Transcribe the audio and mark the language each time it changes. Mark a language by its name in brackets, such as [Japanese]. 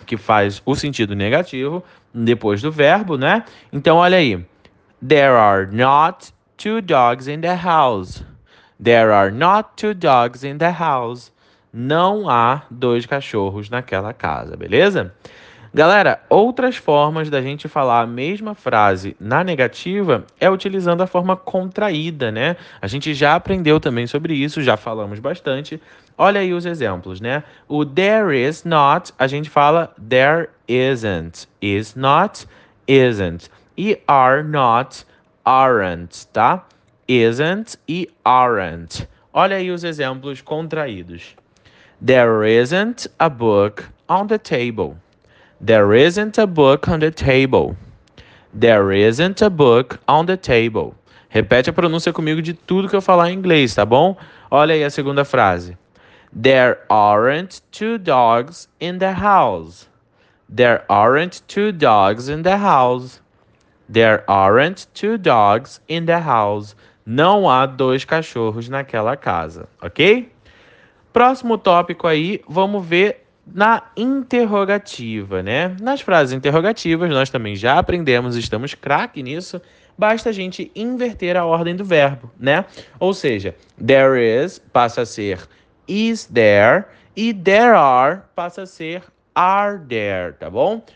[Portuguese] Que faz o sentido negativo depois do verbo, né? Então, olha aí. [English] There are not two dogs in the house. There are not two dogs in the house. [Portuguese] Não há dois cachorros naquela casa, beleza? Galera, outras formas da gente falar a mesma frase na negativa é utilizando a forma contraída, né? A gente já aprendeu também sobre isso, já falamos bastante. Olha aí os exemplos, né? O there is not, a gente fala there isn't. Is not, isn't. E are not, aren't, tá? Isn't e aren't. Olha aí os exemplos contraídos. [English] There isn't a book on the table. There isn't a book on the table. There isn't a book on the table. [Portuguese] Repete a pronúncia comigo de tudo que eu falar em inglês, tá bom? Olha aí a segunda frase. [English] There aren't two dogs in the house. There aren't two dogs in the house. There aren't two dogs in the house. [Portuguese] Não há dois cachorros naquela casa, ok? Próximo tópico aí, vamos ver na interrogativa, né? Nas frases interrogativas, nós também já aprendemos, estamos craque nisso, basta a gente inverter a ordem do verbo, né? Ou seja, there is passa a ser is there e there are passa a ser are there, tá bom?